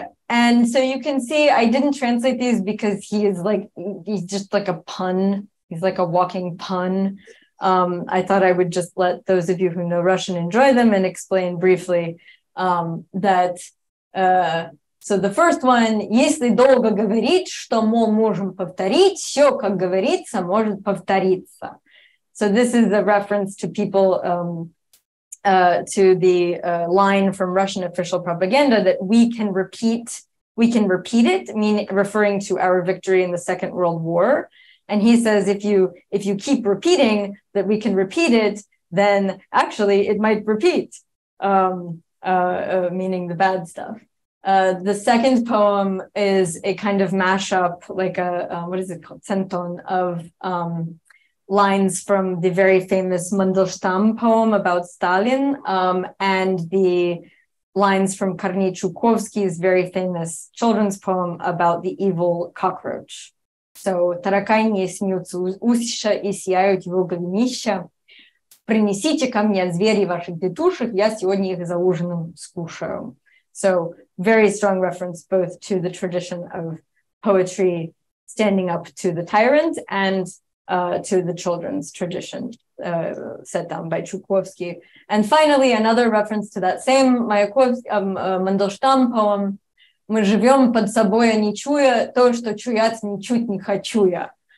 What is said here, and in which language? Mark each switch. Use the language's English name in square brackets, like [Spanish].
[English] And so you can see, I didn't translate these because he is like, he's just like a pun. He's like a walking pun. I thought I would just let those of you who know Russian enjoy them and explain briefly that So the first one, [Russian] если долго говорить, что мы можем повторить, все, как говорится, может повториться. [English] So this is a reference to people, to the line from Russian official propaganda that we can repeat it, meaning referring to our victory in the Second World War. And he says, if you keep repeating that we can repeat it, then actually it might repeat, meaning the bad stuff. The second poem is a kind of mashup, like a, what is it called, centon, of lines from the very famous Mandelstam poem about Stalin and the lines from Kornei Chukovsky's very famous children's poem about the evil cockroach. [Russian] So, тараканьи смеются усища и сияют его голенища. Принесите ко мне звери ваших детушек, я сегодня их за ужином скушаю. [English] So, very strong reference both to the tradition of poetry standing up to the tyrant and to the children's tradition set down by Chukovsky. And finally, another reference to that same Mandelstam poem, [Russian] мы живем под собой, не чуя то, что чуять ничуть не хочу я.